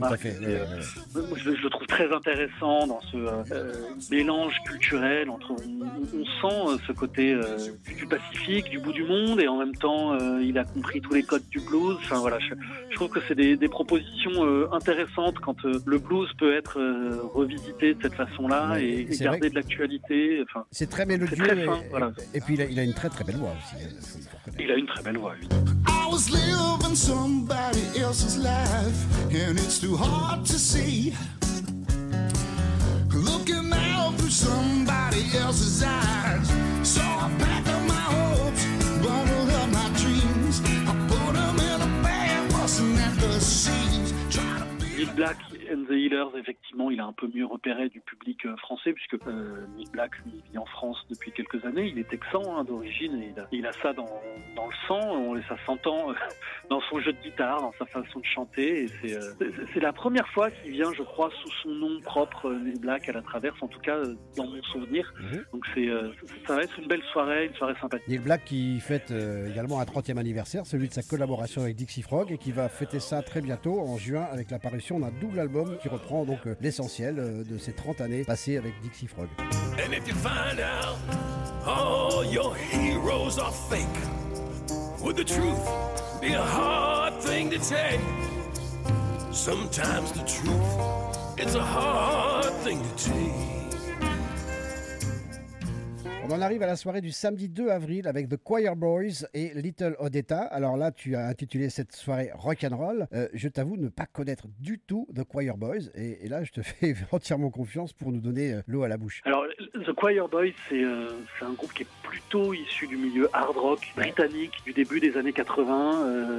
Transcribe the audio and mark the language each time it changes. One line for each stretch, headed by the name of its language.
French: Je le trouve très intéressant dans ce mélange culturel entre on sent ce côté du Pacifique, du bout du monde, et en même temps il a compris tous les codes du blues. Enfin voilà, je trouve que c'est des propositions intéressantes quand le blues peut être revisité de cette façon-là et garder de l'actualité. Enfin, c'est très mélodieux. C'est très fin, voilà. Et puis il a une très très belle voix aussi. Il a une très belle voix. Lui.
English: I was living somebody else's life, and it's too hard to see. Looking out through somebody else's eyes. So I packed up my hopes, bundled up my dreams. I put them in a bag, wasn't at the seat.
French: Neil Black and the Healers, effectivement, il a un peu mieux repéré du public français, puisque Neil Black vit en France depuis quelques années. Il est texan hein, d'origine, et il a ça dans le sang, ça s'entend dans son jeu de guitare, dans sa façon de chanter. Et c'est la première fois qu'il vient, je crois, sous son nom propre, Neil Black, à la Traverse, en tout cas dans mon souvenir. Mm-hmm. Donc ça va être une belle soirée, une soirée sympathique. Neil Black qui fête également un 30e anniversaire, celui de sa collaboration avec Dixie Frog, et qui va fêter ça très bientôt, en juin, avec la parution d'un double album qui reprend donc l'essentiel de ces 30 années passées avec Dixie Frog.
English: And if you find out all your heroes are fake, Would the truth be a hard thing to take? Sometimes the truth, it's a hard thing to take.
French: On en arrive à la soirée du samedi 2 avril avec The Choir Boys et Little Odetta. Alors là, tu as intitulé cette soirée rock'n'roll. Je t'avoue ne pas connaître du tout The Choir Boys. Et là, je te fais entièrement confiance pour nous donner l'eau à la bouche. Alors, The Choir Boys, c'est un groupe qui est plutôt issu du milieu hard rock britannique du début des années 80.